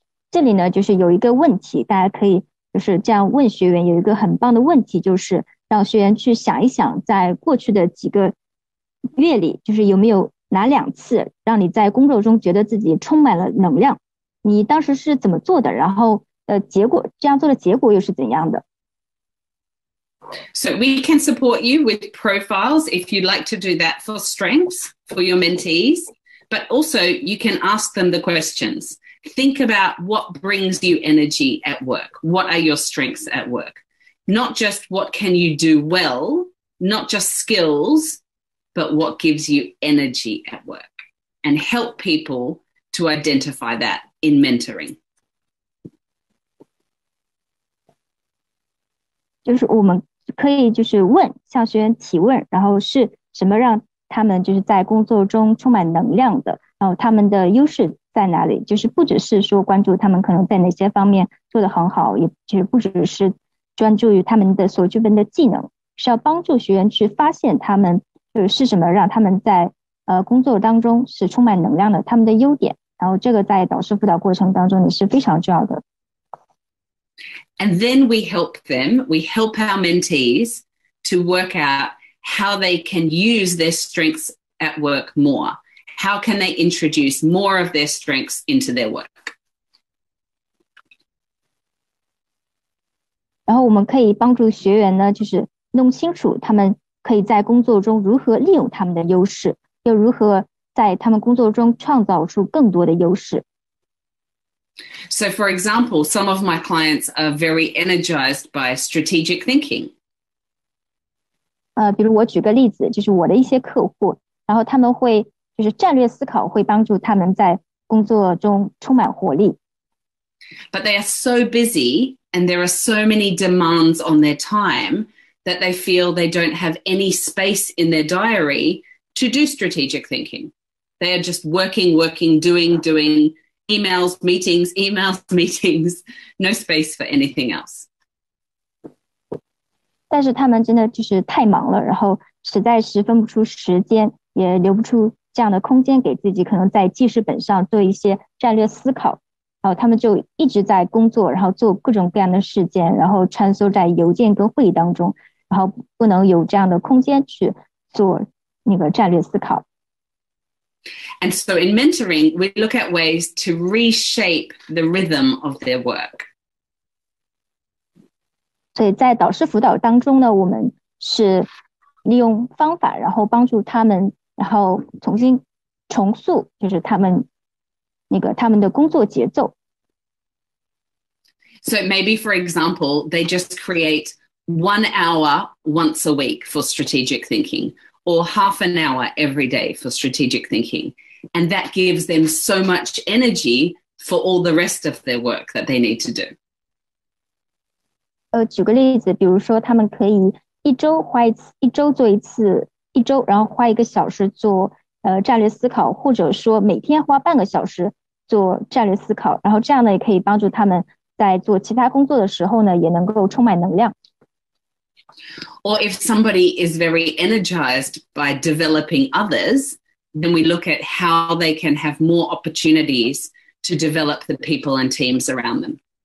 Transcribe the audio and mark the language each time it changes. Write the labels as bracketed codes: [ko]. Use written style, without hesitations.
[zh] 这里呢就是有一个问题，大家可以就是这样问学员，有一个很棒的问题，就是让学员去想一想在过去的几个月里，就是有没有哪两次让你在工作中觉得自己充满了能量，你当时是怎么做的，然后结果这样做的结果又是怎样的。 [en] So we can support you with profiles if you'd like to do that for strengths for your mentees, but also you can ask them the questions. Think about what brings you energy at work. What are your strengths at work? Not just what can you do well, not just skills, but what gives you energy at work, and help people to identify that in mentoring. [zh] 就是我们可以就是问，向学员提问，然后是什么让他们就是在工作中充满能量的，然后他们的优势在哪里，就是不只是说关注他们可能在哪些方面做得很好，也就是不只是专注于他们的所具备的技能，是要帮助学员去发现他们就是什么让他们在工作当中是充满能量的，他们的优点，然后这个在导师辅导过程当中也是非常重要的。 [en] And then we help them, we help our mentees to work out how they can use their strengths at work more. How can they introduce more of their strengths into their work? [zh] 然后我们可以帮助学员呢，就是弄清楚他们可以在工作中如何利用他们的优势，又如何在他们工作中创造出更多的优势。 [en] So, for example, some of my clients are very energized by strategic thinking. [zh] 比如我举个例子，就是我的一些客户，然后他们会就是战略思考会帮助他们在工作中充满活力。 [en] But they are so busy and there are so many demands on their time that they feel they don't have any space in their diary to do strategic thinking. They are just working, working, doing, doing. Emails, meetings, emails, meetings, no space for anything else. [zh] 但是他们真的就是太忙了，然后实在是分不出时间，也留不出这样的空间给自己，可能在记事本上做一些战略思考，然后他们就一直在工作，然后做各种各样的事件，然后穿梭在邮件跟会议当中，然后不能有这样的空间去做那个战略思考。 [en] And so in mentoring, we look at ways to reshape the rhythm of their work. [zh] 所以在导师辅导当中呢，我们是利用方法，然后帮助他们，然后重新重塑，就是他们那个他们的工作节奏。 [en] So maybe, for example, they just create 1 hour once a week for strategic thinking, or half an hour every day for strategic thinking. And that gives them so much energy for all the rest of their work that they need to do. [zh] 举个例子，比如说他们可以一周花一次，一周做一次，一周然后花一个小时做战略思考，或者说每天花半个小时做战略思考，然后这样呢也可以帮助他们在做其他工作的时候呢也能够充满能量。 [en] Or if somebody is very energized by developing others, then we look at how they can have more opportunities to develop the people and teams around them.